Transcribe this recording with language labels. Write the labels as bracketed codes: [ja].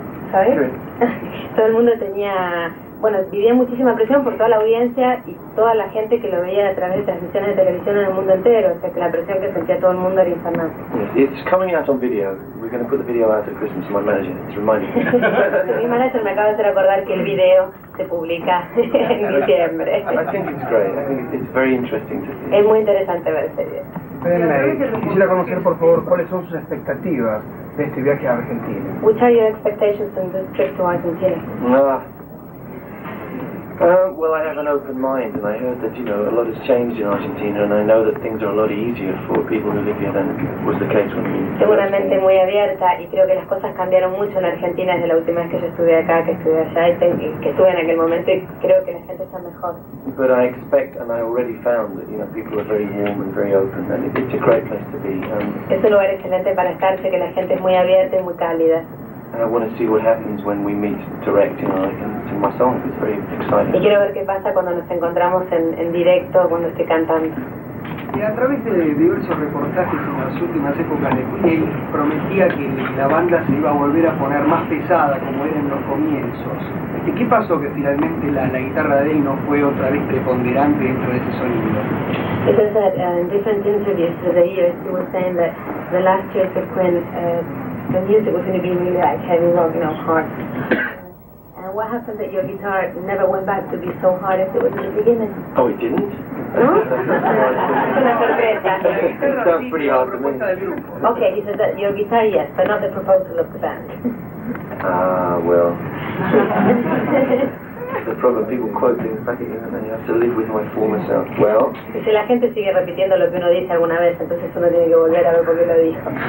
[es] ¿Sabes? Todo el mundo tenía, bueno, vivía muchísima presión por toda la audiencia y toda la gente que lo veía a través de transmisiones de televisión en el mundo entero, o sea que la presión que sentía todo el mundo era infernal. [en] Yes, it's coming out on video. We're going to put the video out at Christmas, my manager, it's reminding me. [es] Mi manager me acaba de hacer acordar que el video se publica en diciembre. [en] I think it's great, I think it's very interesting to see. [es] Es muy interesante ver ese video. Quisiera conocer, por favor, cuáles son sus expectativas de este viaje a Argentina. [en] What are your expectations on this trip to Argentina? Well, I have an open mind, and I heard that, you know, a lot has changed in Argentina, and I know that things are a lot easier for people who live here than was the case when we were there. [es] Seguramente muy abierta, y creo que las cosas cambiaron mucho en Argentina desde la última vez que yo estuve acá, que estuve allá, y que estuve en aquel momento, y creo que la gente está mejor. [en] But I expect, and I already found, that, you know, people are very warm and very open, and it's a great place to be. [es] Es un lugar excelente para estar, sé que la gente es muy abierta y muy cálida. [en] And I want to see what happens when we meet direct, you know, I can sing my song, it's very exciting. [es] Y quiero ver qué pasa cuando nos encontramos en directo, cuando estoy cantando. Y a través de diversos reportajes en las últimas épocas de Queen, prometía que la banda se iba a volver a poner más pesada como era en los comienzos. ¿Y qué pasó que finalmente la guitarra de él no fue otra vez preponderante dentro de ese sonido? [en] It was that in different interviews for the years, he was saying that the last years of Queen, the music was going to be really like heavy rock, you know, hard. And what happened that your guitar never went back to be so hard as it was in the beginning? Oh, it didn't? No? It sounds pretty hard to me. Okay, he said that your guitar, yes, but not the proposal of the band. Well. The problem, people quote things back at you and then you have to live with my former self. Well. [es] Y si la gente sigue repitiendo lo que uno dice alguna vez, entonces uno tiene que volver a ver por qué lo dijo.